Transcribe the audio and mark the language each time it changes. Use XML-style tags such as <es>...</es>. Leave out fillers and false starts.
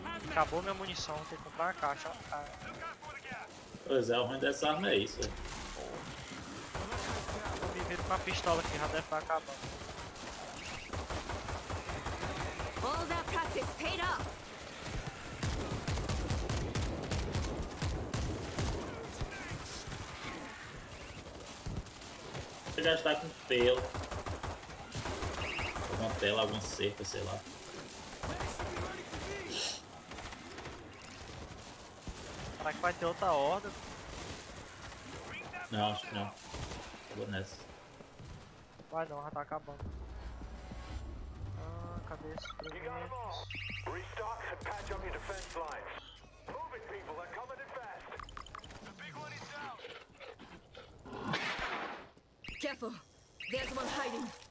<pt>Acabou minha munição, tem que comprar a caixa. Pois é, o ruim dessa arma é isso. Vou me ver com a pistola aqui, já deve estar acabando.</pt> <en>All that practice paid off.</en> <pt>Você já está com pelo. Alguma tela, alguma cerca, sei lá. Será que vai ter outra horda? Não, acho que não. Acabou nessa. Vai não, já tá acabando. Ah, cadê esse suprimento?</pt> <en>Restock and patch up your defense lines. Move it, people, they're coming in fast. The big one is down. Careful, there's one hiding.</en>